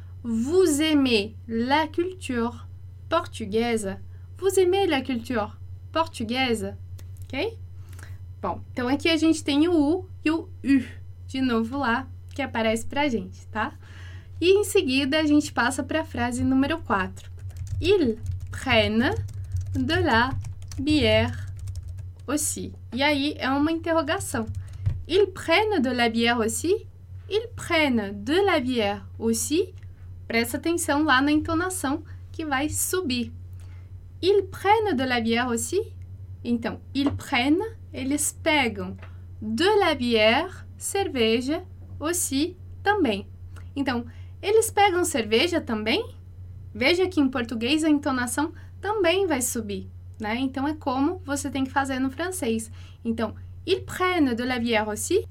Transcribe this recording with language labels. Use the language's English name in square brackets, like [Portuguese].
[French] Vous aimez la culture portuguesa? Vous aimez la culture portuguesa? Ok? [Portuguese] Bom, então aqui a gente tem o U e o U de novo lá, que aparece pra gente, tá? E em seguida a gente passa pra frase número 4. [French] Ils prennent de la bière aussi. [Portuguese] E aí é uma interrogação. [French] Ils prennent de la bière aussi? Ils prennent de la bière aussi? [Portuguese] Presta atenção lá na entonação que vai subir. [French] Ils prennent de la bière aussi? [Portuguese] Então, [French] ils prennent, [Portuguese] eles pegam. [French] De la bière, [Portuguese] cerveja, [French] aussi, [Portuguese] também. Então, eles pegam cerveja também? Veja que em português a entonação também vai subir, né? Então, é como você tem que fazer no francês. Então, [French] ils prennent de la bière aussi?